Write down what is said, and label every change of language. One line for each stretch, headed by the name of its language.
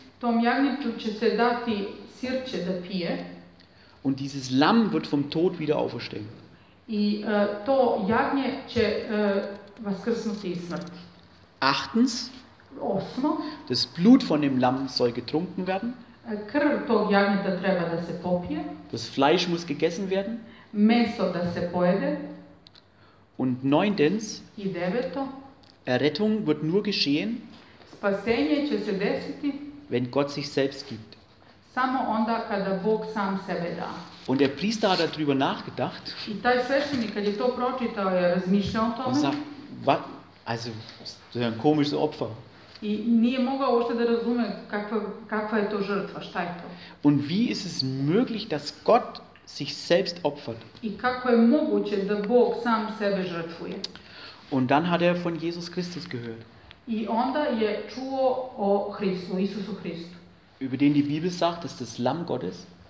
Serbian: Tom jagnjetu će se dati sirće da pije.
German: Und dieses Lamm wird vom Tod wieder auferstehen.
Serbian: I to jagnje će vaskrsnuti iz smrti.
German: Achtens.
Serbian: Osmo.
German: Das Blut von dem Lamm soll getrunken werden.
Serbian: Krv tog jagnjeta treba da se popije.
German: Das Fleisch muss gegessen werden.
Serbian: Meso da se pojede.
German: Und neuntens.
Serbian: I deveto.
German: Errettung wird nur geschehen,
Serbian: spasenje će se desiti,
German: wenn Gott sich selbst gibt.
Serbian: Samo onda kada Bog sam sebe da.
German: Und der Priester hat darüber nachgedacht.
Serbian: I taj sveštenik kad je to pročitao je razmišljao o tome.
German: Und sagt, was? Also, das ist ein komisches Opfer.
Serbian: I nije mogao uopšte da razume kakva je to žrtva, šta je to.
German: Und wie ist es möglich, dass Gott sich selbst opfert?
Serbian: I kako je moguće da Bog sam sebe žrtvuje?
German: Und dann hat er von Jesus Christus gehört.
Serbian: I onda je čuo o Hristu, Isusu Hristu.
German: Über den die Bibel sagt, dass das Lamm Gottes.